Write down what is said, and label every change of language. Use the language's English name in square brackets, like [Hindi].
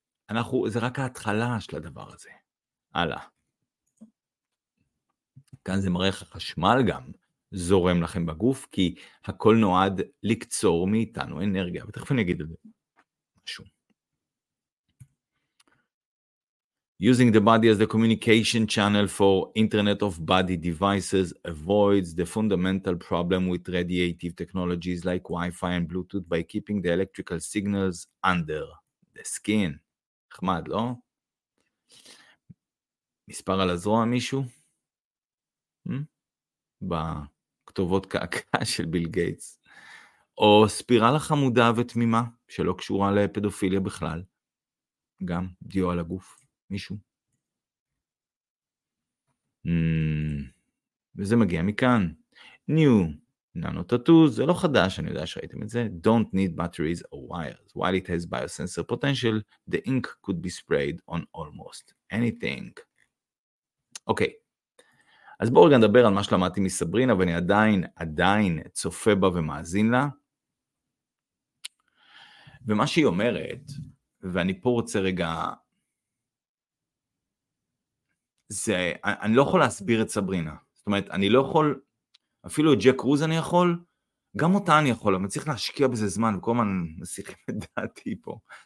[Hebrew] אנחנו, זה רק ההתחלה של הדבר הזה. הלאה. כאן זה מראה חשמל גם זורם לכם בגוף, כי הכל נועד לקצור מאיתנו אנרגיה, ותכף אני אגיד את זה. שום. [English] Using the body as the communication channel for Internet of Body devices avoids the fundamental problem with radiative technologies like Wi-Fi and Bluetooth by keeping the electrical signals under the skin. [Hebrew] חמד, לא? מספר על הזרוע מישהו? בכתובות קעקע של ביל גייטס. או ספירלה חמודה ותמימה שלא קשורה לפדופיליה בכלל. גם דיו על הגוף. מישהו? וזה מגיע מכאן. [English] New nano tattoos, [Hebrew] זה לא חדש, אני יודע שראיתם את זה. [English] Don't need batteries or wires. While it has biosensor potential, the ink could be sprayed on almost anything. [Hebrew] אוקיי. אז בואו רגע נדבר על מה שלמדתי מסברינה, ואני עדיין צופה בה ומאזין לה. ומה שהיא אומרת, ואני פה רוצה רגע... זה, אני לא יכול להסביר את סברינה, זאת אומרת, אני לא יכול, אפילו את ג'ק רוז אני יכול, גם אותה אני יכול, אבל צריך להשקיע בזה זמן, וכל מה נסיכים את דעתי פה.